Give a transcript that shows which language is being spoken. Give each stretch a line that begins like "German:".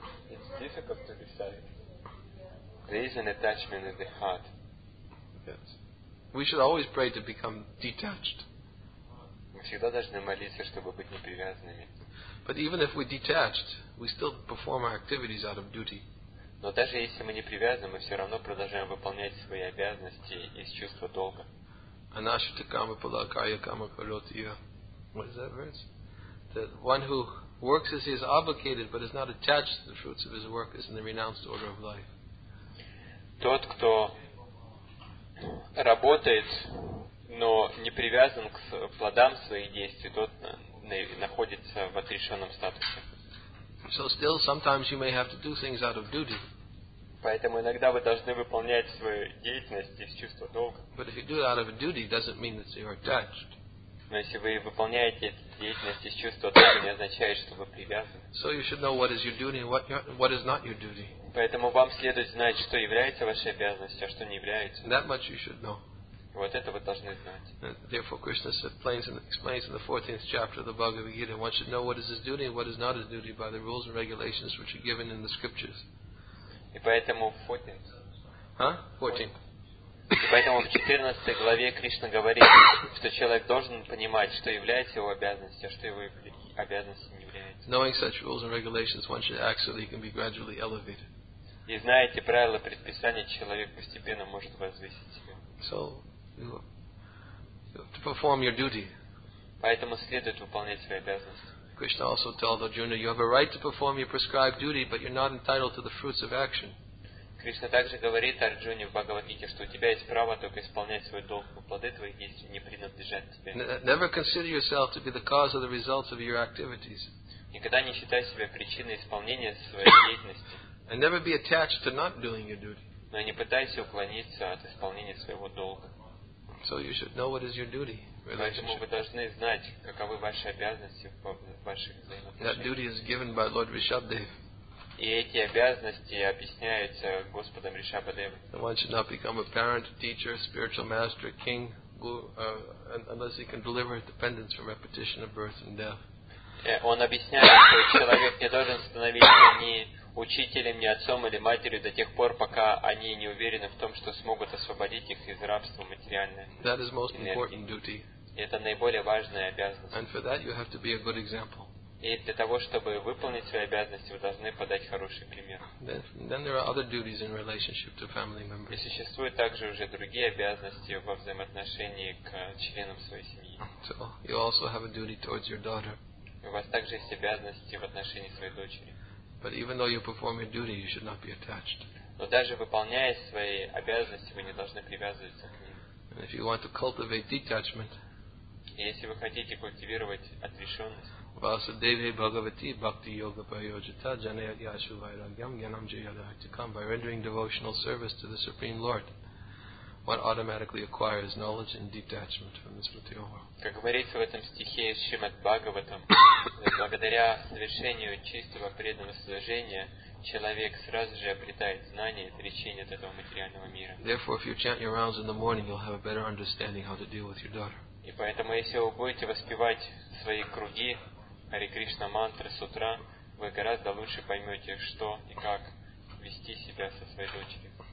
English: It's difficult to decide. There is an attachment in the heart. Yes. We should always pray to become detached.
Russian: Мы всегда должны молиться, чтобы быть непривязанными.
English: But even if we're detached, we still perform our activities out of duty.
Russian: Но даже если мы не привязаны, мы все равно продолжаем выполнять свои обязанности из чувства долга.
Sanskrit: Anashita kama palakaya kama palotiya.
English: What is that verse? That one who works as he is obligated, but is not attached to the fruits of his work, is in the renounced order of life.
Russian: Тот, кто работает, но не привязан к плодам своих действий, тот находится в отрешенном статусе.
English: So still sometimes you may have to do things out of duty.
Russian: Поэтому иногда вы должны выполнять свою деятельность из чувства долга.
English: But if you do it out of duty, it doesn't mean that you are attached.
Russian: Но если вы выполняете деятельность из чувства долга, не означает, что вы привязаны.
English: So you should know what is your duty and what is not your duty.
Russian: Поэтому вам следует знать, что является вашей обязанностью, а что не является.
English: That much you should know.
Russian: Вот это вы должны знать.
English: And therefore, Krishna explains in the 14th chapter of the Bhagavad Gita, one should know what is his duty and what is not his duty by the rules and regulations which are given in the scriptures.
Russian: И поэтому в 14. Huh? И поэтому в 14 главе Кришна говорит, что человек должен понимать, что является его обязанностью, а что его обязанностью не является.
English: Knowing such rules and regulations, one should act so that he can be gradually elevated.
Russian: И зная эти правила предписания, человек постепенно может возвысить себя.
English: So, to perform your duty.
Russian: Поэтому следует выполнять свои обязанности.
English: Krishna also told Arjuna, you have a right to perform your prescribed duty, but you're not entitled to the fruits of action.
Russian: Krishna также говорит Арджуне в Бхагавад-гите, что у тебя есть право только исполнять свой долг, но плоды твоих действий не принадлежат тебе.
English: Never consider yourself to be the cause or the results of your activities.
Russian: Никогда не считай себя причиной исполнения своей деятельности.
English: And never be attached to not doing your duty.
Russian: Но не пытайся уклониться от исполнения своего долга.
English: So you should know what is your duty.
Russian: Поэтому вы должны знать, каковы ваши обязанности в ваших взаимоотношениях.
English: That duty is given by Lord Rishabhdev.
Russian: И эти обязанности объясняются Господом Ришабхадевой.
English: One should not become a parent, teacher, spiritual master, king, unless he can deliver dependence from repetition of birth and death.
Russian: Он объясняет, что человек не должен становиться ни учителем, ни отцом или матерью до тех пор, пока они не уверены в том, что смогут освободить их из рабства материальной энергии.
English: That is most important duty.
Russian: Это наиболее важная обязанность.
English: And for that you have to be a good example.
Russian: И для того, чтобы выполнить свои обязанности, вы должны подать хороший пример.
English: Then there are other duties in relationship to family members.
Russian: И существуют также уже другие обязанности во взаимоотношении к членам своей семьи.
English: So you also have a duty towards your daughter.
Russian: У вас также есть обязанности в отношении своей дочери.
English: But even though you perform your duty, you should not be attached.
Russian: Но даже выполняя свои обязанности, вы не должны привязываться к ним.
English: And if you want to cultivate detachment,
Russian: если вы хотите культивировать отрешенность,
Sanskrit: Васудеве Бхагавати Бхакти Йога Прайоджита Джанаят Яшу Вайрагьям Гьянам Джаядахтикам,
English: by rendering devotional service to the Supreme Lord, one automatically acquires knowledge and detachment from this material world.
Russian: Как говорится в этом стихе из Шримад Бхагаватам, благодаря совершению чистого преданного служения, человек сразу же обретает знание и отречение от этого материального мира.
English: Therefore, if you chant your rounds in the morning, you'll have a better understanding how to deal with your daughter.
Russian: И поэтому, если вы будете воспевать свои круги Хари Кришна мантры с утра, вы гораздо лучше поймете, что и как вести себя со своей дочерью.